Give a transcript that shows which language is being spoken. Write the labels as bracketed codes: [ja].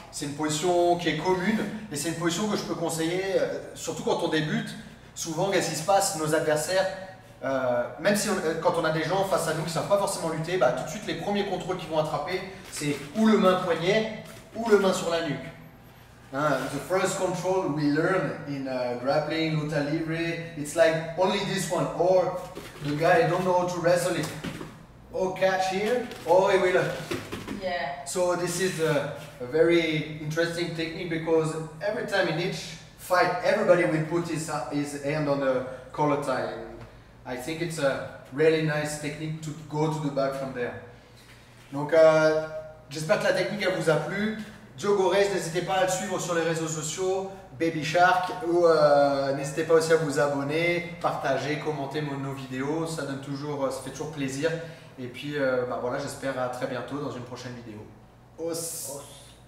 [fr] C'est une position qui est commune et c'est une position que je peux conseiller, surtout quand on débute. Souvent, qu'est-ce qui se passe? Nos adversaires, même si quand on a des gens face à nous qui ne savent pas forcément lutter, bah, tout de suite les premiers contrôles qu'ils vont attraper, c'est ou le main poignet ou le main sur la nuque. [en] The first control we learn in grappling, lutta libre, it's like only this one, or the guy don't know how to wrestle it. Oh, catch here, or he will. Yeah. So this is a very interesting technique because every time in each fight, everybody will put his hand on the collar tie. And I think it's a really nice technique to go to the back from there. [fr] Donc, j'espère que la technique elle vous a plu. Diogo Reis, n'hésitez pas à le suivre sur les réseaux sociaux, Baby Shark, ou n'hésitez pas aussi à vous abonner, partager, commenter nos vidéos, ça donne toujours, ça fait toujours plaisir. Et puis, bah voilà, j'espère à très bientôt dans une prochaine vidéo. Os.